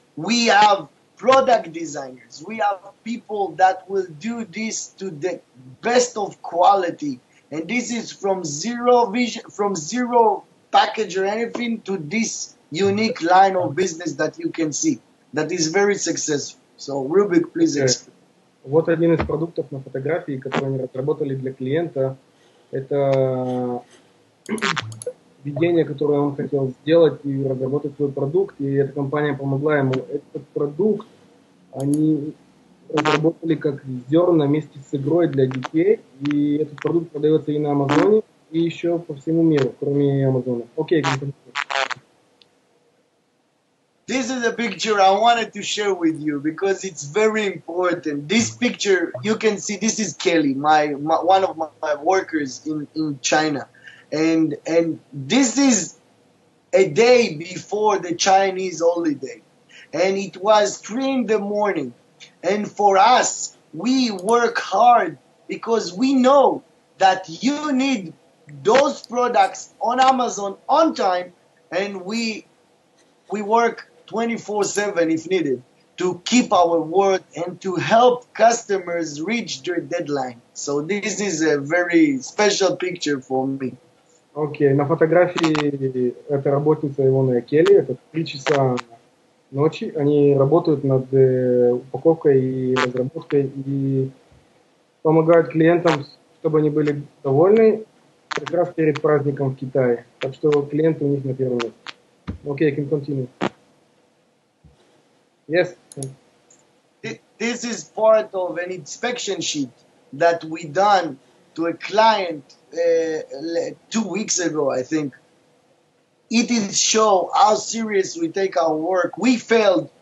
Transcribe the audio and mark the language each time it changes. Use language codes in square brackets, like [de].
[en] We have product designers. We have people that will do this to the best of quality. And this is from zero vision, from zero package or anything to this unique line of business that you can see that is very successful. So, Rubik, please explain. [ru] Вот один из продуктов на фотографии, который они разработали для клиента. Это видение, которое он хотел сделать и разработать свой продукт, и эта компания помогла ему. Этот продукт они разработали как зерна вместе с игрой для детей, и этот продукт продается и на Амазоне, и еще по всему миру, кроме Амазона. Окей, [en] This is a This is a picture I wanted to share with you because it's very important. This picture, you can see, this is Kelly, one of my workers in China. And this is a day before the Chinese holiday. And it was 3 a.m. And for us, we work hard because we know that you need those products on Amazon on time, and we work 24/7 if needed to keep our word and to help customers reach their deadline. So this is a very special picture for me. [ru] Okay, на фотографии это работница Ивона Келли, это 3 часа ночи, они работают над упаковкой и разработкой и помогают клиентам, чтобы они были довольны. Как раз перед праздником в Китае. Так что клиенты у них на первом месте. [en] Okay, can continue. Yes. This is part of an inspection sheet that we done to a client 2 weeks ago, I think. It is show how serious we take our work. We failed.